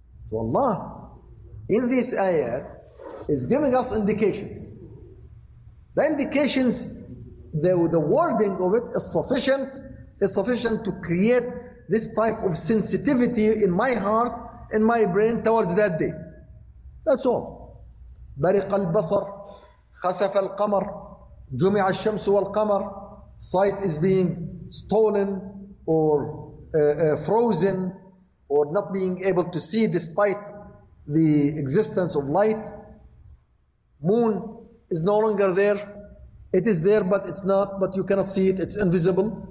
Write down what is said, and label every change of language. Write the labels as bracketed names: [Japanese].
[English] So Allah, in this ayat, is giving us indications. The indications, the wording of it is sufficient. It's sufficient to create this type of sensitivity in my heart, in my brain towards that day. That's all. [Arabic] برق البصر خسف القمر جمع الشمس والقمر. [English] Sight is being stolen or frozen or not being able to see despite the existence of light. Moon is no longer there. It is there, but it's not, but you cannot see it. It's invisible.